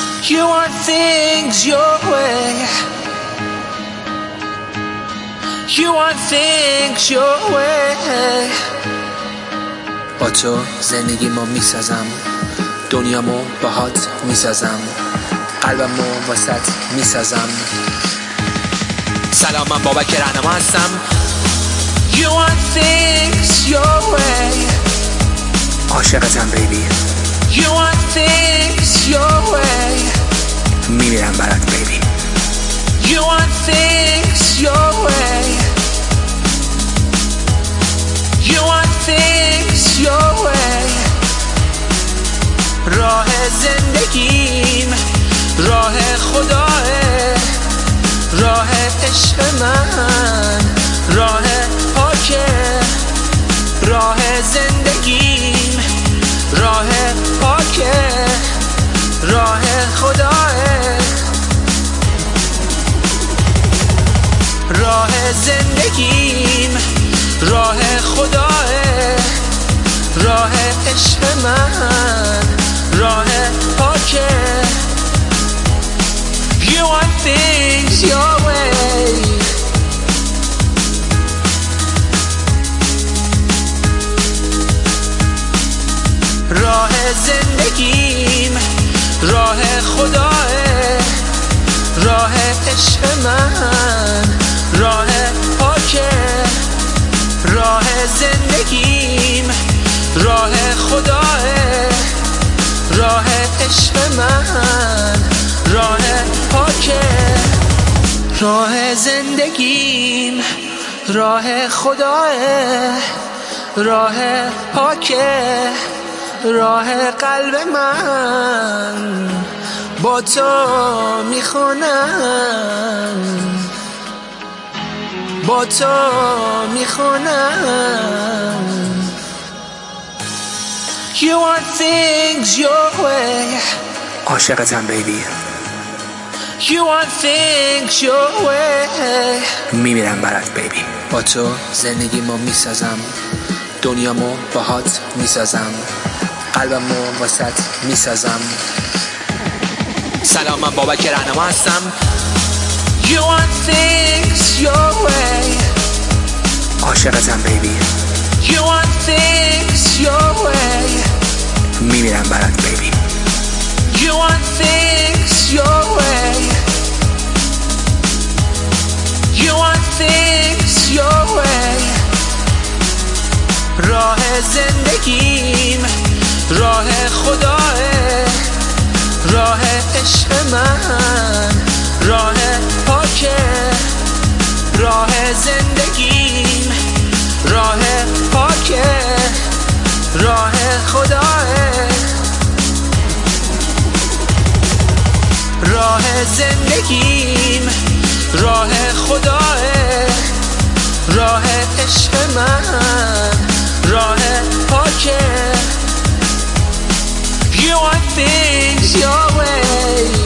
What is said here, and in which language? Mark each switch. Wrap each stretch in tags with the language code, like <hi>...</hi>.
<en>You want things your way. You want things your way.</en> <fa>با تو زندگیمو میسازم، دنیامو باهات میسازم، قلبمو واسط میسازم. سلام، من بابک رهنما هستم.</fa> <en>You want things your way.</en> <fa>عاشقتم بیبی.</fa> <en>You want things your way.</en> <fa>میمیرم برات بیبی.</fa> <en>You want things your way. You want things your way.</en> <fa>راه زندگیم راه خداه، راه عشق من، راه پاکه، راه زندگیم، راه پاکه، راه خداه، راه زندگیم، راه خداه، راه عشق من، راه پاکه.</fa> <en>You want things your way.</en> <fa>راه زندگیم راه خداه، راه عشق من، راه پاکه، راه زندگیم راه خداه، راه عشق من، راه پاکه. راه زندگیم راه خداه، راه پاکه، راه قلب من با تو میخونم، با تو میخونم.</fa> <en>You want things your way.</en> <fa>عاشقتم بیبی.</fa> <en>You want things your way.</en> <fa>میمیرم برات بیبی. با تو زندگیمو میسازم، دنیامو باهات میسازم، قلبمو واسط میسازم. سلام، من بابک رهنما هستم.</fa> <en>You want things your way.</en> <fa>عاشقتم بیبی.</fa> <en>You want things your way.</en> <fa>میمیرم برات بیبی.</fa> <en>You want things your way. You want things your way.</en> <fa>راه زندگیم راه خداه، راه عشق من، راه پاکه، راه زندگیم راه پاکه، راه خداه، راه زندگیم راه خداه، راه عشق من، راه پاکه.</fa> <en>You want things your way.</en>